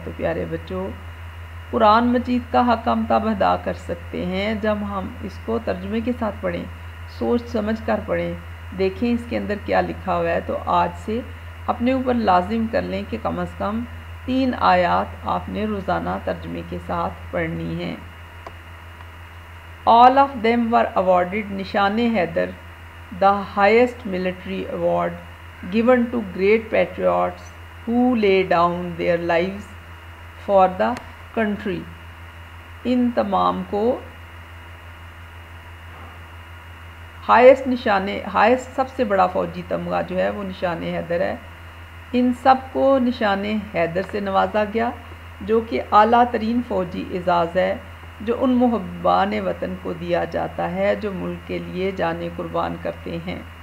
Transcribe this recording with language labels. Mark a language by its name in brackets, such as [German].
[Urdu] تو پیارے بچوں قرآن مجید کا حق ہم تب ادا کر سکتے ہیں جب ہم اس کو ترجمے کے ساتھ پڑھیں, سوچ سمجھ کر پڑھیں, دیکھیں اس کے اندر کیا لکھا ہوا ہے. تو آج سے اپنے اوپر لازم کر لیں کہ کم از کم 3 آیات آپ نے روزانہ ترجمے کے ساتھ پڑھنی ہیں. [English] All of them were awarded Nishan Haider, the highest military award given to great patriots who lay down their lives for the country. [Urdu] ان تمام کو highest نشانے highest سب سے بڑا فوجی تمغہ جو ہے وہ نشان حیدر ہے. ان سب کو نشان حیدر سے نوازا گیا جو کہ اعلیٰ ترین فوجی اعزاز ہے جو ان محبان وطن کو دیا جاتا ہے جو ملک کے لیے جانیں قربان کرتے ہیں.